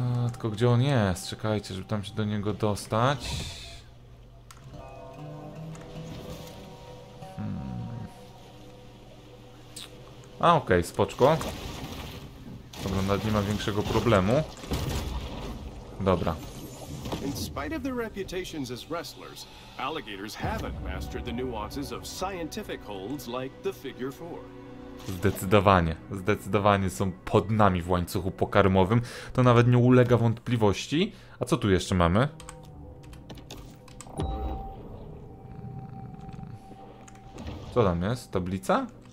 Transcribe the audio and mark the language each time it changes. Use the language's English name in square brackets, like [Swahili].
[Polish] Tylko gdzie on jest? Czekajcie, żeby tam się do niego dostać. A okej, okay, spoczko. Dobra, nawet nie ma większego problemu. Dobra. [English] In spite of their reputations as wrestlers, alligators haven't mastered the nuances of scientific holds like the figure four. [Polish] Zdecydowanie. Zdecydowanie są pod nami w łańcuchu pokarmowym. To nawet nie ulega wątpliwości. A co tu jeszcze mamy? Co tam jest? Tablica?